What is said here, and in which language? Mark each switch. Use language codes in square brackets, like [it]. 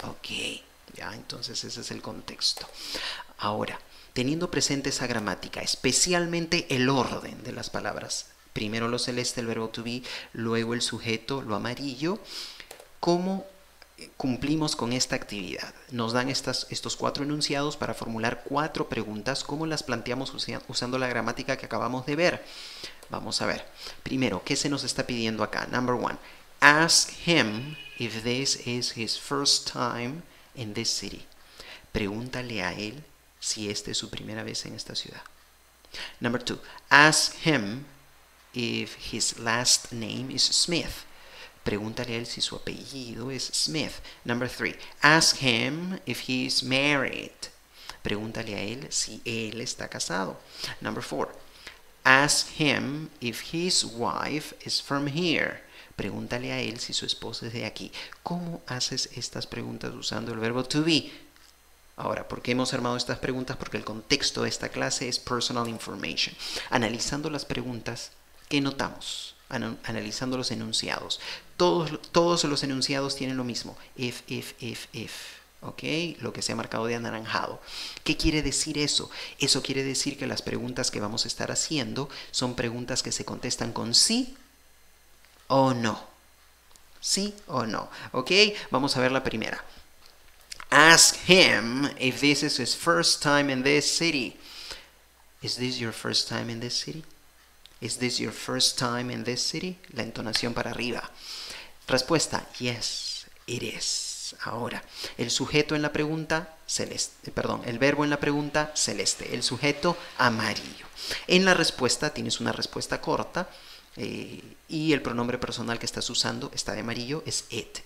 [es] Ok, ya, entonces ese es el contexto. Ahora, teniendo presente esa gramática, especialmente el orden de las palabras, primero lo celeste, el verbo to be, luego el sujeto, lo amarillo, ¿cómo cumplimos con esta actividad? Nos dan estos cuatro enunciados para formular cuatro preguntas. ¿Cómo las planteamos usando la gramática que acabamos de ver? Vamos a ver. Primero, ¿qué se nos está pidiendo acá? [en] Number one, ask him if this is his first time in this city. [es] Pregúntale a él si esta es su primera vez en esta ciudad. [en] Number two, ask him if his last name is Smith. [es] Pregúntale a él si su apellido es Smith. [en] Number three, ask him if he is married. [es] Pregúntale a él si él está casado. [en] Number four, ask him if his wife is from here. [es] Pregúntale a él si su esposa es de aquí. ¿Cómo haces estas preguntas usando el verbo to be? Ahora, ¿por qué hemos armado estas preguntas? Porque el contexto de esta clase es personal information. Analizando las preguntas, ¿qué notamos? Analizando los enunciados. Todos los enunciados tienen lo mismo. If. ¿Ok? Lo que se ha marcado de anaranjado. ¿Qué quiere decir eso? Eso quiere decir que las preguntas que vamos a estar haciendo son preguntas que se contestan con sí o no. Sí o no. ¿Ok? Vamos a ver la primera. [en] Ask him if this is his first time in this city. Is this your first time in this city? Is this your first time in this city? [es] La entonación para arriba. Respuesta, [en] yes, it is. [es] Ahora, el sujeto en la pregunta, celeste, perdón, el verbo en la pregunta, celeste. El sujeto, amarillo. En la respuesta, tienes una respuesta corta y el pronombre personal que estás usando está de amarillo, es it.